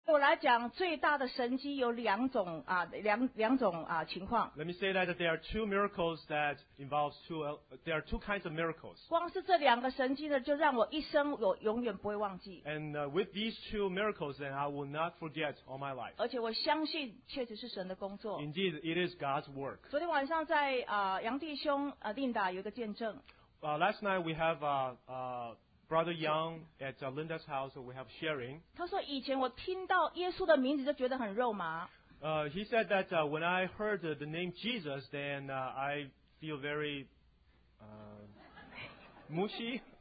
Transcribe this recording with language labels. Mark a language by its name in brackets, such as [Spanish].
[Chinese] 我来讲最大的神迹有两种啊，两种啊情况。 [English] Let me say that there are two miracles that involves two. There are two kinds of miracles. [Chinese] 光是这两个神迹呢，就让我一生我永远不会忘记。 [English] And with these two miracles, then I will not forget all my life. [Chinese] 而且我相信，确实是神的工作。 [English] Indeed, it is God's work. [Chinese] 昨天晚上在啊，杨弟兄啊，Linda有一个见证。 [English] Last night we have Brother Young at Linda's house, we have sharing. [Chinese] 他说以前我听到耶稣的名字就觉得很肉麻。 [English] He said that when I heard the name Jesus, then I feel very mushy.